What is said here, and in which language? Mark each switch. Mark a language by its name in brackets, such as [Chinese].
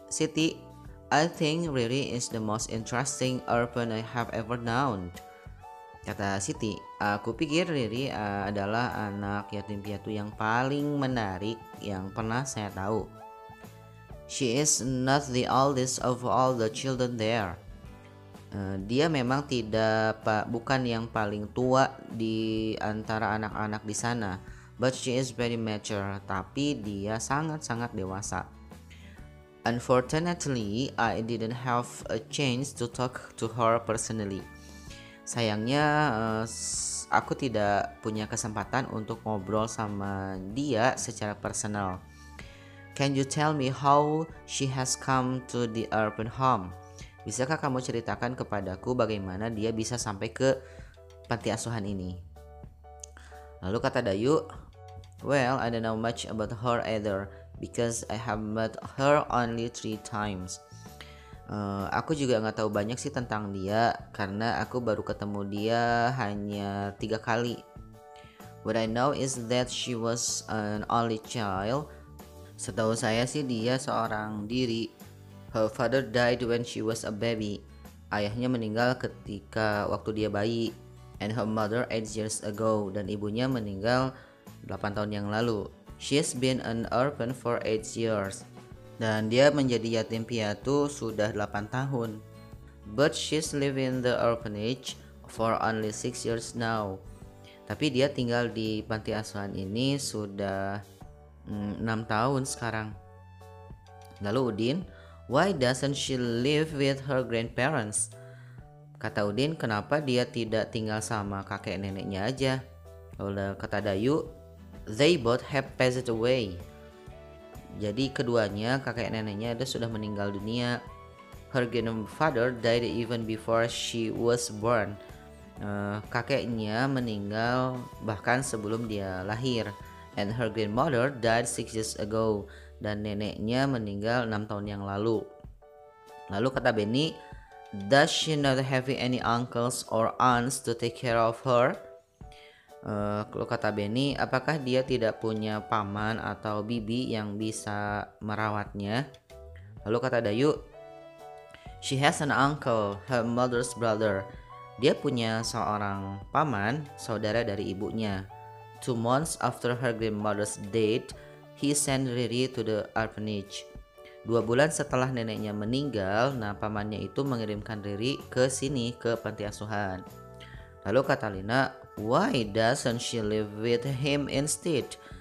[English] Siti, I think really is the most interesting urban I have ever known. [Indonesian] Kata Siti, aku pikir Riri adalah anak yatim piatu yang paling menarik yang pernah saya tahu. [English] She is not the oldest of all the children there. [Indonesian] Dia memang bukan yang paling tua di antara anak-anak di sana, [English] but she is very mature, [Indonesian] tapi dia sangat-sangat dewasa. [English] Unfortunately, I didn't have a chance to talk to her personally. [Indonesian] Sayangnya, aku tidak punya kesempatan untuk ngobrol sama dia secara personal. [English] Can you tell me how she has come to the urban home? [Indonesian] Bisakah kamu ceritakan kepadaku bagaimana dia bisa sampai ke panti asuhan ini? Lalu kata Dayu, [English] well, I don't know much about her either, because I have met her only 3 times. [Indonesian] Aku juga gak tahu banyak sih tentang dia, karena aku baru ketemu dia hanya 3 kali. [English] What I know is that she was an only child. [Indonesian] Setahu saya sih dia seorang diri. [English] Her father died when she was a baby. [Indonesian] Ayahnya meninggal ketika waktu dia bayi. [English] And her mother 8 years ago. [Indonesian] Dan ibunya meninggal 8 tahun yang lalu. [English] She's been an orphan for 8 years. [Indonesian] Dan dia menjadi yatim piatu sudah 8 tahun. [English] But she's living in the orphanage for only 6 years now. [Indonesian] Tapi dia tinggal di panti asuhan ini sudah 6 tahun sekarang. [English] Lalu Udin, why doesn't she live with her grandparents? [Indonesian] Kata Udin, kenapa dia tidak tinggal sama kakek neneknya aja? Lalu kata Dayu, [English] they both have passed away. [Indonesian] Jadi keduanya, kakek neneknya itu sudah meninggal dunia. [English] Her grandfather died even before she was born. [Indonesian] Kakeknya meninggal bahkan sebelum dia lahir. [English] And her grandmother died 6 years ago. [Indonesian] Dan neneknya meninggal 6 tahun yang lalu. Lalu kata Benny, [English] does she not have any uncles or aunts to take care of her? [Indonesian] Kalau kata Benny, apakah dia tidak punya paman atau bibi yang bisa merawatnya? Lalu kata Dayu, [English] she has an uncle, her mother's brother. [Indonesian] Dia punya seorang paman, saudara dari ibunya. [English] 2 months after her grandmother's death, he sent Riri to the orphanage. [Indonesian] 2 bulan setelah neneknya meninggal, nah pamannya itu mengirimkan Riri ke sini, ke panti asuhan. Lalu kata Lina, [English] why doesn't she live with him instead?